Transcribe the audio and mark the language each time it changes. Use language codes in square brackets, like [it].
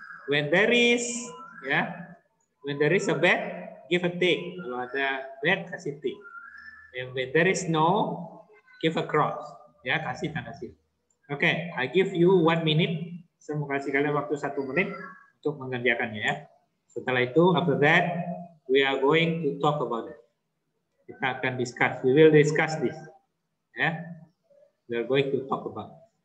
[en] When there is, yeah, when there is a bed, give a tick. [id] Kalau ada bed, kasih tick. [en] And when there is no, give a cross. Yeah, [id] kasih tanda silang. [en] Okay, I give you 1 minute. [id] Saya mau kasih kalian waktu 1 menit untuk mengerjakannya. Ya. Setelah itu, [en] after that, we are going to talk about it. [id] Kita akan discuss. [en] We will discuss this. Yeah, we are going to talk about it.